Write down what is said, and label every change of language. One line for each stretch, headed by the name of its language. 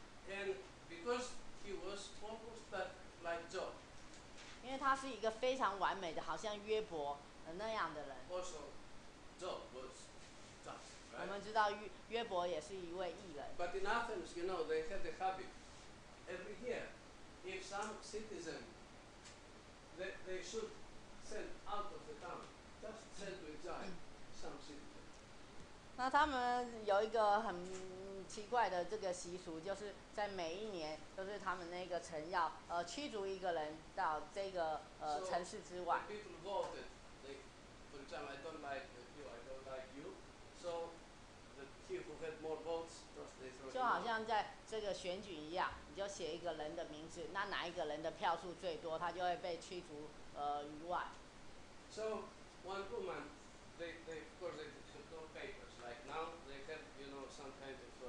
English: And because he was almost that like Job.
Chinese: 因为他是一个非常完美的，好像约伯那样的人。
English: Also, Job was just, right?
Chinese: 我们知道约伯也是一位义人。
English: But in Athens, you know, they had the habit every year, if some citizen, they should send out of the town, just send to exile some citizen.
Chinese: 那他们有一个很奇怪的这个习俗，就是在每一年，就是他们那个城要驱逐一个人到这个城市之外。
English: So the people voted. They, for example, I don't like you. I don't like you. So the people had more votes. Just they throw.
Chinese: 就好像在这个选举一样，你就写一个人的名字，那哪一个人的票数最多，他就会被驱逐于外。
English: So one woman, they of course they have no papers. Like now they have you know some kind of